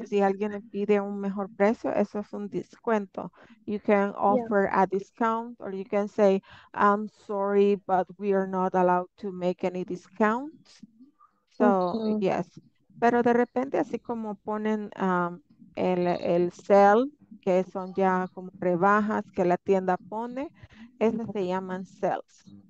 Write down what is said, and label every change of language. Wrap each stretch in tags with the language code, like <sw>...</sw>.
<es>Si alguien pide un mejor precio, eso es un descuento.</es> <en>You can Yeah. offer a discount, or you can say, I'm sorry, but we are not allowed to make any discounts. So, yes.</en> <es>Pero de repente, así como ponen, el sell, que son ya como rebajas que la tienda pone, esas se llaman sells.</es>